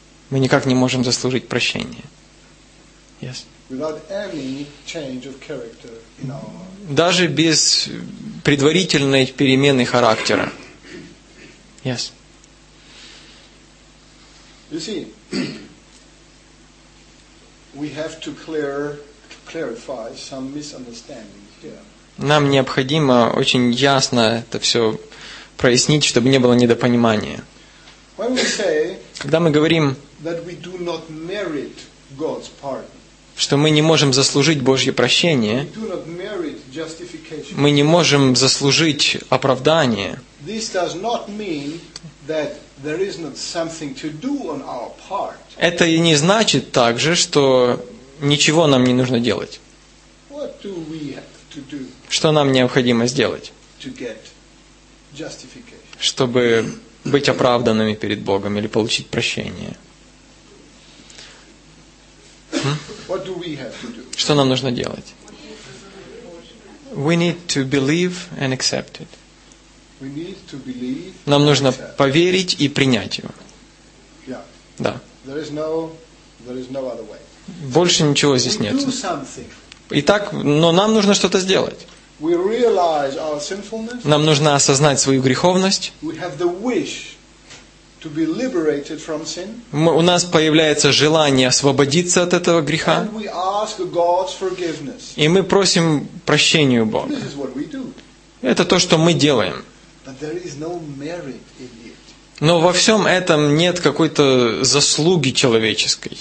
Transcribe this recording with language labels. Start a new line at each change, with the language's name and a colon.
Russian: Мы никак не можем заслужить прощения.
English: Yes. Without any change of character in our life.
Russian: Даже без предварительной перемены характера.
English: Yes. You see, we have to clarify some misunderstandings here.
Russian: Нам необходимо очень ясно это все прояснить, чтобы не было недопонимания.
English: When we say,
Russian: когда мы говорим,
English: that we do not merit God's pardon,
Russian: что мы не можем заслужить Божье прощение,
English: we do not merit justification,
Russian: мы не можем заслужить оправдание,
English: this does not mean that there is not something to do on our part.
Russian: Это и не значит также, что ничего нам не нужно делать.
English: What do we have to do?
Russian: Что нам необходимо сделать,
English: to get justification,
Russian: чтобы быть оправданными перед Богом или получить прощение?
English: What do we have to do?
Russian: Что нам нужно делать?
English: We need to believe and accept it. We need to believe.
Russian: Нам нужно поверить и принять его.
English: Yeah.
Russian: Да.
English: There is no other way.
Russian: Больше ничего здесь нет. Итак, но нам нужно что-то сделать.
English: We realize our sinfulness.
Russian: Нам нужно осознать свою греховность.
English: We have the wish to be liberated from sin.
Russian: У нас появляется желание освободиться от этого греха.
English: And we ask God's forgiveness.
Russian: И мы просим прощения у Бога.
English: This is what we do.
Russian: Это то, что мы делаем.
English: But there is no merit in it.
Russian: Но во всем этом нет какой-то заслуги человеческой.